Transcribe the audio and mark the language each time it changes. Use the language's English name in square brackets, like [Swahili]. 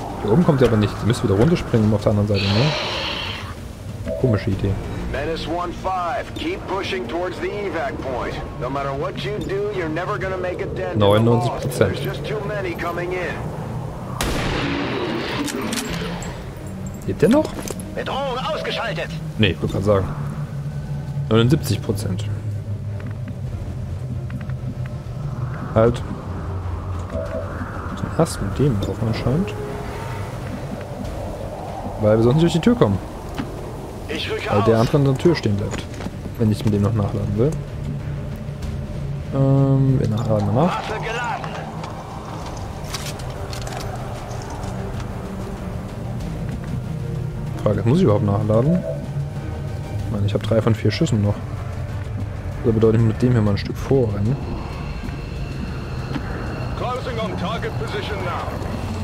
[German] Oben kommt ihr aber nicht. Ihr müsst wieder runterspringen auf der anderen Seite, ne? Komische Idee. [English] Menace 1-5, keep pushing towards the evac point. No matter what you do, you're never gonna make a dent. 99%. There's just too many coming in. [German] Lebt der noch? Bedrohung ausgeschaltet! Nee, ich wollte gerade sagen. 79%. Halt. Was hast du mit dem drauf anscheinend? Weil wir sonst nicht durch die Tür kommen. Weil der andere an der Tür stehen bleibt. Wenn ich mit dem noch nachladen will. Wir nachladen danach. Frage, muss ich überhaupt nachladen? Ich meine, ich habe 3 von 4 Schüssen noch. Das bedeutet, mit dem hier mal ein Stück vorrennen. [English] Closing on target position now.